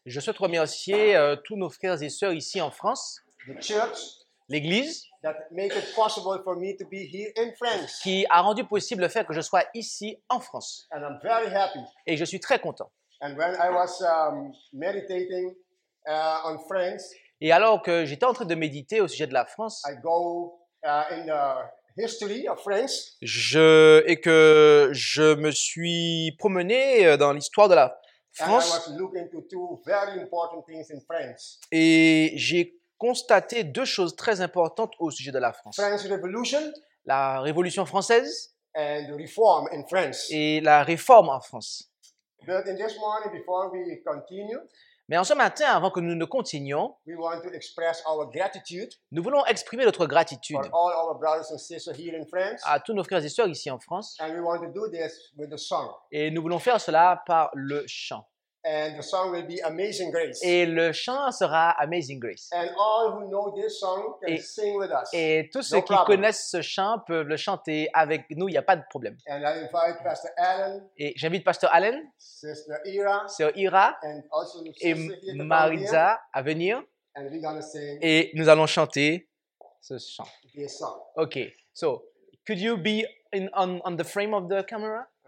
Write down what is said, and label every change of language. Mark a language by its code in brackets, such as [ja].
[fr] Je souhaite remercier tous nos frères et sœurs ici en France. [en] The church, [fr] l'Église, [en] that make it possible for me to be here in France. [fr] Qui a rendu possible le fait que je sois ici en France. [en] And I'm very happy. [fr] Et je suis très content. [en] And when I was meditating on France. [fr] Et alors que j'étais en train de méditer au sujet de la France. [en] I go in the history of France. [fr] Je me suis promené dans l'histoire de la France. [en] And I was looking to two very important things in France. [fr] Et j'ai constaté deux choses très importantes au sujet de la France. [en] French Revolution, [fr] la Révolution française [en] and reform in France. [fr] Et la réforme en France. [en] But in this morning, before we continue, [fr] mais en ce matin, avant que nous ne continuions, [en] we want to express our gratitude, [fr] nous voulons exprimer notre gratitude [en] for all our brothers and sisters here in France, [fr] à tous nos frères et sœurs ici en France. [en] And we want to do this with the song. [fr] Et nous voulons faire cela par le chant. [en] And the song will be Amazing Grace. [fr] Et le chant sera Amazing Grace. [en] And all who know this song can sing with us. [fr] Et tous ceux qui connaissent ce chant peuvent le chanter avec nous, il n'y a pas de problème. [en] And I invite Pastor Allen. [fr] Et j'invite Pastor Allen. [en] Sister Ira. [fr] Sœur Ira. [en] And also [fr] et Maritza à venir. [en] And we're gonna sing. [fr] Et nous allons chanter ce chant. [en] This song. Okay. So, could you be on the frame of the camera?